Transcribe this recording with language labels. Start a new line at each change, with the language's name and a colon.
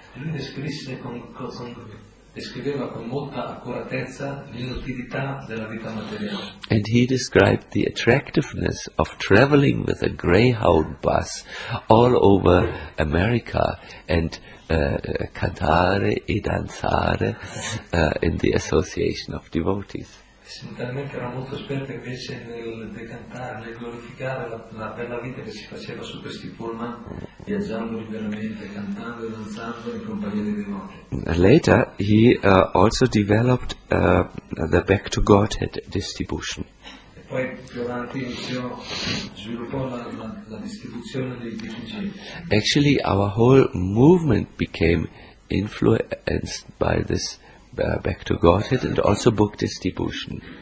English: And he described the attractiveness of traveling with a greyhound bus all over America and
Italian: cantare e danzare
English: in the association of devotees.
Italian: Sentimentalmente era molto esperto invece nel decantare, nel glorificare la bella vita che si faceva su questi pullman, viaggiando liberamente, cantando e danzando in compagnia dei devoti.
English: Later he also developed the back to Godhead distribution.
Italian: E poi più avanti sviluppò la distribuzione dei DPG.
English: Actually our whole movement became influenced by this back to Godhead and also book distribution.